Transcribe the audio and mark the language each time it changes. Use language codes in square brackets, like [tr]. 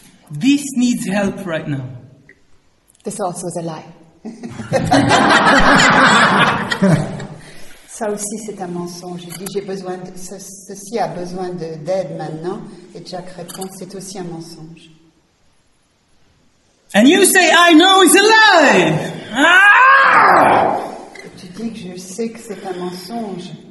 [en] This needs help right now. This also is a lie. [fr] Ça aussi, c'est un mensonge. Il dit, j'ai besoin de, ceci a besoin de, d'aide maintenant. Et Jack répond, c'est aussi un mensonge. [en] And you say, I know it's a lie. Ah! [fr] Tu dis que je sais que c'est un mensonge.